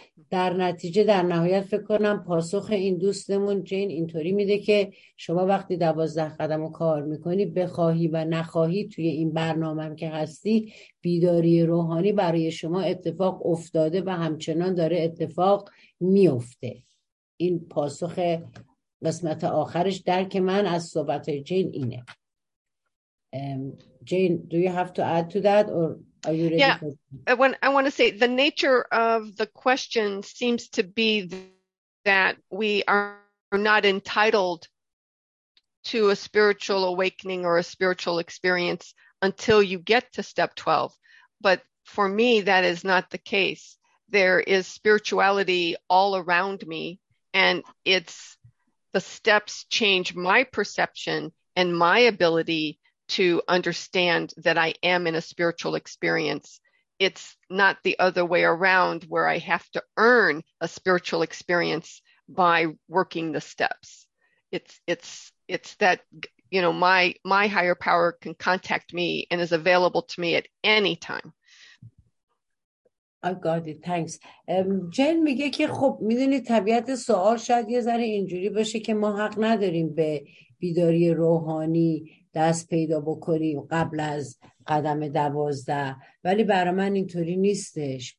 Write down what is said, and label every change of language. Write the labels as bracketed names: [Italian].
[Persian] در نتیجه در نهایت فکر کنم پاسخ این دوستمون جین اینطوری میده که شما وقتی 12 قدم رو کار میکنی، بخواهی و نخواهی توی این برنامه هم که هستی، بیداری روحانی برای شما اتفاق افتاده و همچنان داره اتفاق میفته. این پاسخ قسمت آخرش در که من از صحبت جین اینه. [English] Jane, do you have to add to that or are you ready? Yeah, I want to say the nature of the question seems to be that we are not entitled to a spiritual awakening or a spiritual experience until you get to step 12. But for me, that is not the case. There is spirituality all around me, and it's the steps change my perception and my ability to understand that I am in a spiritual experience. It's not the other way around where I have to earn a spiritual experience by working the steps. It's that, you know, my higher power can contact me and is available to me at any time. I got it, thanks. [Persian] جن میگه که خب میدونی طبیعت سوال شاید یه ذره اینجوری باشه که ما حق نداریم به بیداری روحانی دست پیدا بکنیم قبل از قدم 12، ولی برای من اینطوری نیستش.